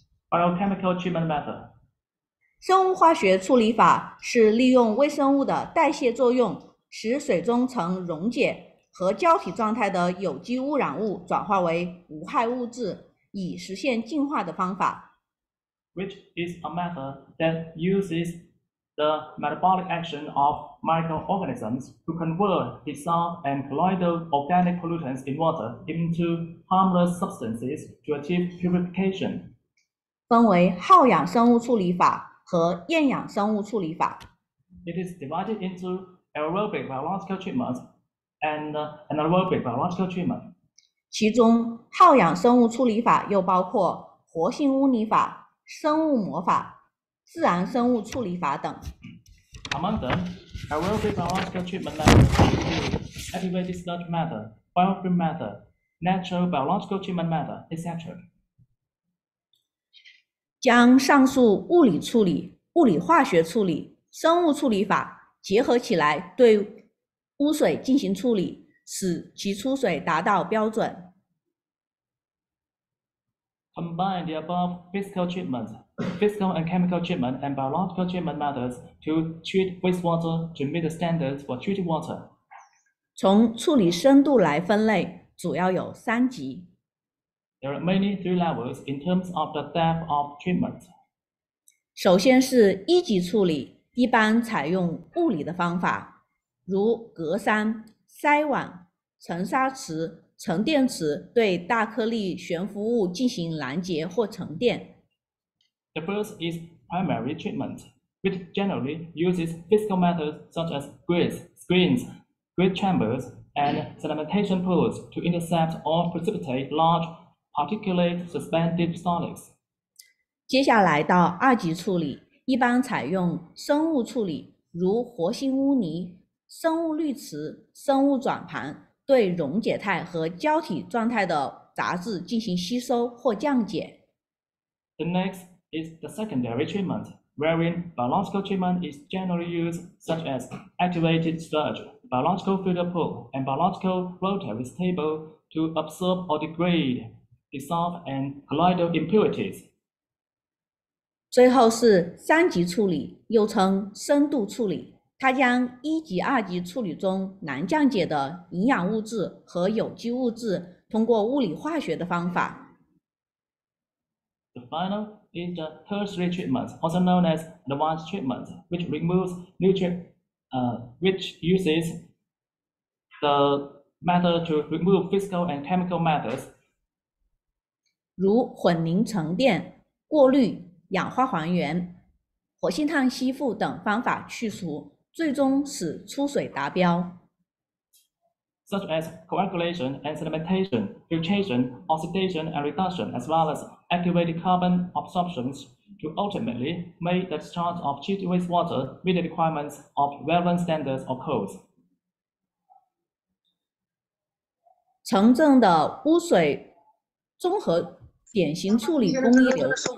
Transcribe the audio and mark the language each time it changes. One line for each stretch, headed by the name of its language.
English: Biochemical treatment method.
Chinese: 生物化学处理法是利用微生物的代谢作用，使水中呈溶解和胶体状态的有机污染物转化为无害物质，以实现净化的方法。
English: Which is a method that uses the metabolic action of microorganisms to convert dissolved and colloidal organic pollutants in water into harmless substances to achieve purification.
Chinese: 分为耗氧生物处理法和厌氧生物处理法。
English: It is divided into aerobic biological treatments and anaerobic biological treatment.
Chinese: 其中耗氧生物处理法又包括活性污泥法、生物膜法、自然生物处理法等。
English: Among them, aerobic biological treatment methods include activated sludge method, biofilm method, natural biological treatment method, etc.
Chinese: 将上述物理处理、物理化学处理、生物处理法结合起来对污水进行处理，使其出水达到标准。
English: Combine the above physical treatments, physical and chemical treatment, and biological treatment methods to treat wastewater to meet the standards for treated water.
Chinese: 从处理深度来分类，主要有三级。
English: There are mainly three levels in terms of the depth of treatment.
Chinese: 首先是一级处理，一般采用物理的方法，如隔山、筛网、沉沙池、沉淀池对大颗粒悬浮物进行拦截或沉淀。
English: The first is primary treatment, which generally uses physical methods such as grids, screens, grid chambers, and sedimentation pools to intercept or precipitate large particulate suspended solids.
Chinese: 接下来到二级处理，一般采用生物处理，如活性污泥、生物滤池、生物转盘。对溶解态和胶体状态的杂质进行吸收或降解。
English: The next is the secondary treatment, wherein biological treatment is generally used, such as activated sludge, biological filter pool, and biological rotary stable to absorb or degrade, dissolve and colloidal impurities.
Chinese: 最后是三级处理，又称深度处理。它将一级、二级处理中难降解的营养物质和有机物质通过物理化学的方法。
English: The final is the tertiary treatment, also known as advanced treatment, which removes nutrient, which uses the method to remove physical and chemical methods.
Chinese: 如混凝沉淀、过滤、氧化还原、活性炭吸附等方法去除。最终使出水达标。
English: Such as coagulation and sedimentation, filtration, oxidation and reduction, as well as activated carbon absorptions to ultimately make the discharge of treated wastewater meet the requirements of relevant standards or codes.
Chinese: 城镇的污水综合典型处理工艺流。